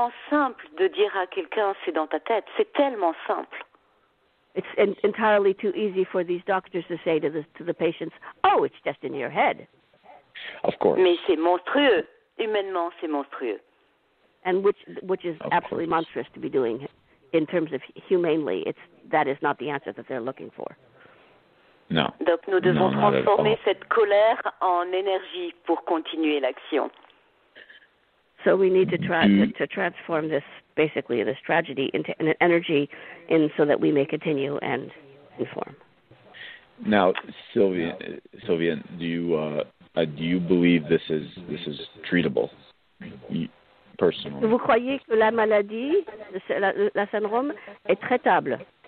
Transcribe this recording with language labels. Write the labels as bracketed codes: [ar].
[fr] Simple de dire à quelqu'un, c'est dans ta tête. C'est tellement simple. [en] It's entirely too easy for these doctors to say to the patients, oh, it's just in your head. Of course. [fr] Mais c'est monstrueux. Humainement, c'est monstrueux. [en] And which is absolutely monstrous to be doing in terms of humanely. It's not the answer that they're looking for. [fr] Non. Donc nous devons transformer cette colère en énergie pour continuer l'action. [en] So we need to try to transform this, basically this tragedy, into an energy, in so that we may continue and inform. Now, Sylvia, do you believe this is treatable, personally? [fr] Vous croyez que la maladie, la syndrome, est traitable?